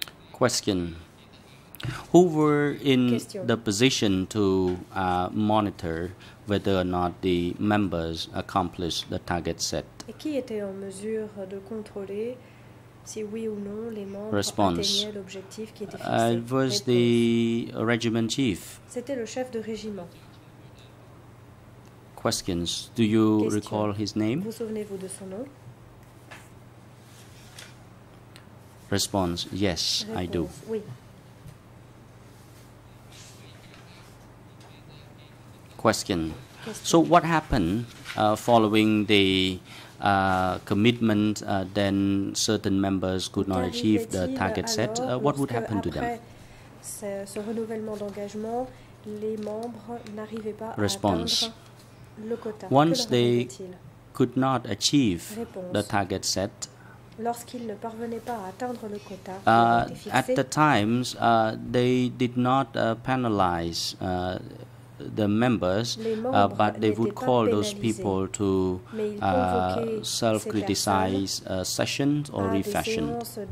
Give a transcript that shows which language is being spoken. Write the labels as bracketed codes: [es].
[en] Question. Who were in the position to monitor whether or not the members accomplished the target set? [fr] Et qui était en mesure de contrôler si oui ou non les membres atteignaient l'objectif qui était fixé? [en] It was the regiment chief. [fr] C'était le chef de régiment. [en] Questions. Do you recall his name? [fr] Vous souvenez-vous de son nom? [en] Response. Yes, I do. [fr] Oui. [en] Question. So what happened following the commitment, then certain members could not achieve the target set? What would happen to them? [fr] Ce renouvellement d'engagement, les membres n'arrivaient pas [en] Response. [fr] À atteindre le quota. [en] Once they could not achieve the target set, [fr] lorsqu'ils ne parvenaient pas à atteindre le quota, [en] at the times, they did not penalize the members, but they would call those people to self-criticize sessions or refashion.